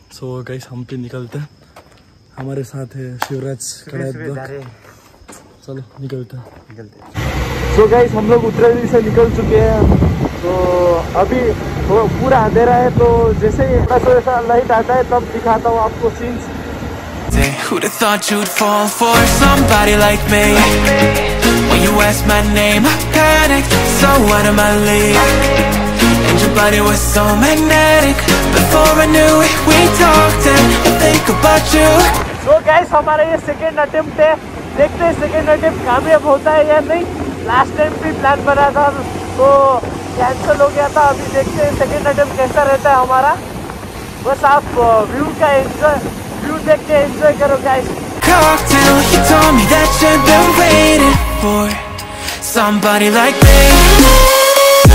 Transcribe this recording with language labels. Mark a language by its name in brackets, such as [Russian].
[Hindi] So guys हम भी निकलते हैं, हमारे साथ है शिवराज कड़ायत. चलो निकलते. सो गाइस हम लोग उत्तराखंड से निकल चुके हैं. तो अभी पूरा अंधेरा है, तो जैसे ही ऐसा लाइट आता है तब दिखाता हूँ आपको scenes. [English] Who'd have thought you'd fall for somebody like me? When you asked my name, I panicked. So out of my league. And your body was so magnetic. Before I knew it, we talked and I think about you. So guys, [Hindi] हमारा ये second attempt है. देखते हैं second attempt कामयाब होता है या नहीं. लास्ट टाइम भी प्लान बना था तो कैंसिल हो गया था. अभी देखते हैं सेकेंड अटेम्प्ट कैसा रहता है हमारा. बस आप व्यू का एंजॉय, व्यू देख के एंजॉय करो guys. [English] Cocktail, you told me that you've been waiting for somebody like me.